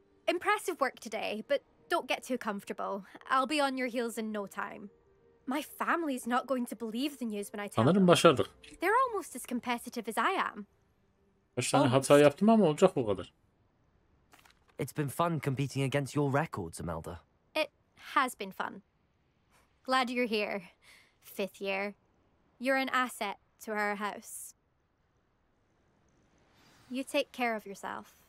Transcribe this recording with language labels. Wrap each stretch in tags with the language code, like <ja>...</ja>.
<en>Impressive work today, but don't get too comfortable. I'll be on your heels in no time. My family's not going to believe the news when I tell them.</en> <tr>Başardık.</tr> <en>They're almost as competitive as I am.</en> <tr>Kaç tane hata yaptım ama olacak bu kadar.</tr> <en>It's been fun competing against your records, Imelda. It has been fun. Glad you're here. Fifth year. You're an asset to our house. You take care of yourself.</en>